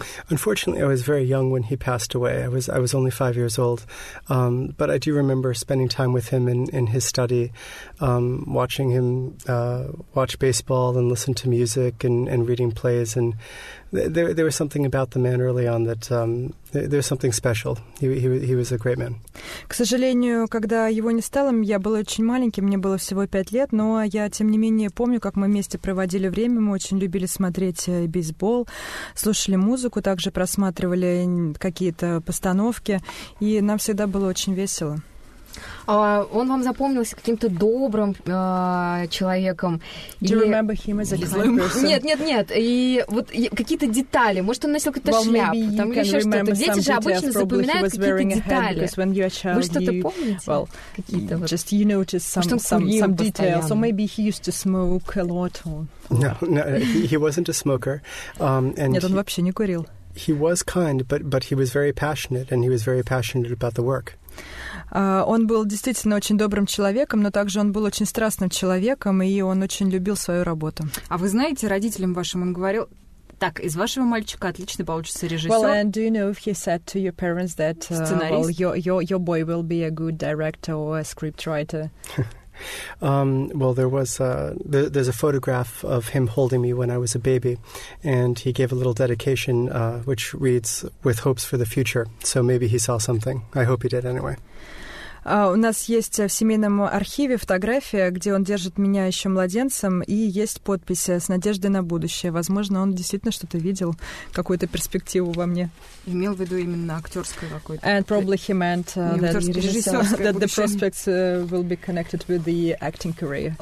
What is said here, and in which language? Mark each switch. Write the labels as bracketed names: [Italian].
[English] Unfortunately, I was very young when he passed away. I was only 5 years old, but I do remember spending time with him in his study, watching him watch baseball and listen to music and reading plays and There was something about the man early on that there's something special. He was a great man. [Russian] К сожалению, когда его не стало, я была очень маленьким, мне было всего 5 лет, но я тем не менее помню, как мы вместе проводили время, мы очень любили смотреть бейсбол, слушали музыку, также просматривали какие-то постановки, и нам всегда было очень весело. Он вам запомнился каким-то добрым человеком? [English] Do you remember him as a kind person? [Russian] Нет. И вот какие-то детали. Может, он носил какую-то шляпу? Там или еще что-то. Дети же обычно запоминают какие-то детали. Вы что-то помните? [English] Just you noticed some details. So maybe he used to smoke a lot. No, he wasn't a smoker. [Russian] Нет, он вообще не курил. [English] He was kind, but he was very passionate, and he was very passionate about the work. [Russian] Он был действительно очень добрым человеком, но также он был очень страстным человеком, и он очень любил свою работу. А вы знаете, родителям вашим он говорил: так, из вашего мальчика отлично получится режиссер. [English] Well, and do you know if he said to your parents that your boy will be a good director or a scriptwriter? Well, there was there's a photograph of him holding me when I was a baby, and he gave a little dedication, which reads "With hopes for the future." So maybe he saw something. I hope he did anyway. [Russian] У нас есть в семейном архиве фотография, где он держит меня еще младенцем, и есть подпись с надеждой на будущее. Возможно, он действительно что-то видел, какую-то перспективу во мне. Имел в виду именно актерское какое-то. [English] And probably he meant that the prospects will be connected with the acting career.